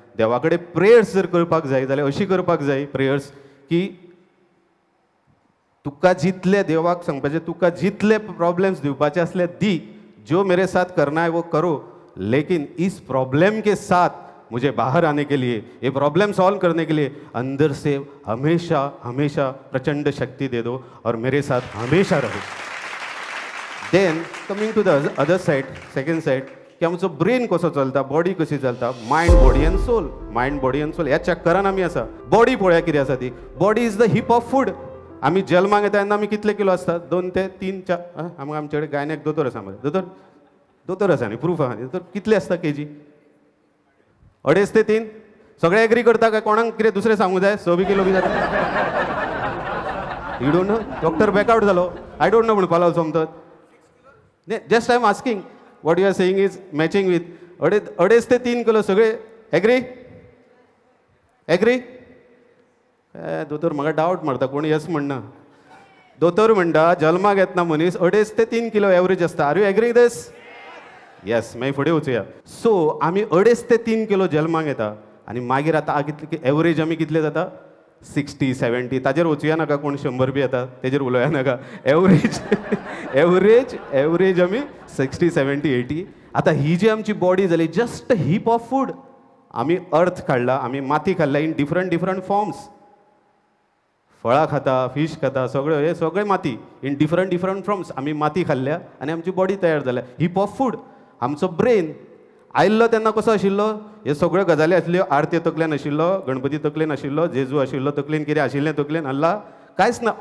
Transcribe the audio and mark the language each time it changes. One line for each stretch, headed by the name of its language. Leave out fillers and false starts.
Konkani: देवा कडेन प्रेयर्स जर करपाक जाय जाल्यार अशी करपाक जाय प्रेयर्स की तुका जितले देवाक सांगपाचे, तुका जितले प्रॉब्लम्स दिवपाचे आसले दी,
Hindi: जो मेरे साथ करना है वो करो, लेकिन इस प्रॉब्लम के साथ मुझे बाहर आने के लिए, ये प्रॉब्लम सॉल्व करने के लिए अंदर से हमेशा हमेशा प्रचंड शक्ति दे दो और मेरे साथ हमेशा रहो.
English: then coming to the other side, second side,
Konkani: कि आमचो ब्रेन कसो चलता, बॉडी कशी चलता,
English: mind body and soul,
Konkani: mind body and soul ह्या चक्करान आमी आसा. बॉडी पळोवया कितें आसा ती.
English: Body is the heap of food.
Konkani: आमी जल्मांक येता तेन्ना आमी कितले किलो आसता? 2 ते 3, 4. आमचे कडेन गायनेक दोतोर आसा मरे, दोतोर आसा न्ही, प्रूफ आसा न्ही. दोतोर कितले आसता केजी? 2.5 ते 3. सगळे एग्री करता काय? कोणाक कितें दुसरें सांगूं जाय? 6 किलो बी जाता.
English: You don't know, doctor back out जालो. I don't know
Konkani: म्हणपा लागलो समजत.
English: Just I am asking what you are saying is matching with 2.5 ते 3 kilo.
Konkani: सगळे एग्री?
English: Agree?
Konkani: दोतोर म्हाका डावट मारता, कोण यस म्हणना. दोतोर म्हणटा जल्माक येतना मनीस 2.5 ते 3 किलो एवरेज आसता.
English: Are you agree this? Yes.
Konkani: मागीर फुडें वचूया. सो आमी 2.5 ते 3 किलो जल्माक येता आनी मागीर आतां कितले एवरेज आमी कितले जाता? 60-70. ताजेर वचूया नाका, कोण 100 बी येता तेजेर उलोवया नाका. एवरेज एवरेज एवरेज आमी 60-70-80. आतां ही जी आमची बॉडी जाली,
English: Just heap of food.
Konkani: आमी अर्थ काडला, आमी माती खाल्ला
English: In different different forms.
Konkani: फळां खाता, फीश खाता, सगळ्यो हे सगळे माती
English: In different different forms.
Konkani: आमी माती खाल्ल्या आनी आमची बॉडी तयार जाल्या.
English: Heap of food.
Konkani: आमचो ब्रेन आयल्लो तेन्ना कसो आशिल्लो? ह्यो सगळ्यो गजाली आसल्यो. आरती तकलेन आशिल्लो, गणपती तकलेन आशिल्लो, जेजू आशिल्लो तकलेन, कितें आशिल्लें तकलेन आसला, कांयच ना.